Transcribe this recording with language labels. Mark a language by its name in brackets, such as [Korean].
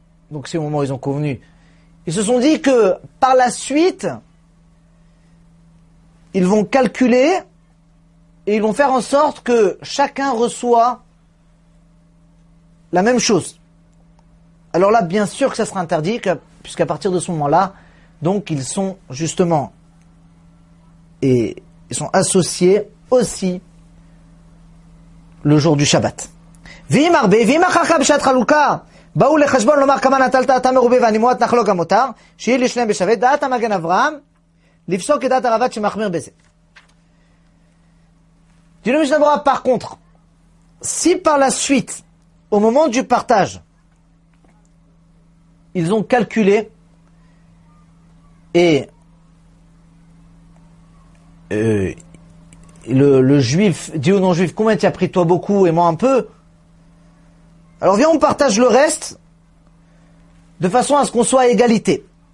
[French] donc c'est au moment où ils ont convenu, ils se sont dit que par la suite, ils vont calculer et ils vont faire en sorte que chacun reçoit la même chose. Alors là, bien sûr que ça sera interdit, puisqu'à partir de ce moment-là, donc ils sont justement et ils sont associés aussi le jour du Shabbat. [Hebrew] Vimarbe, vimachacha b'shat haluka. באו לחשבון לומר כמה נטלת אתה מרובה ואני מועט נחלוק המותר, שיהיה לשניהם בשווה, דעת המגן אברהם, לפסוק את דעת הרבת שמחמיר בזה. [French] דינו משנה ברורה, par contre, si par la suite, au moment du partage, ils ont calculé, et le juif dit au non-juif, combien tu as pris toi beaucoup et moi un peu, alors viens, on partage le reste de façon à ce qu'on soit à égalité.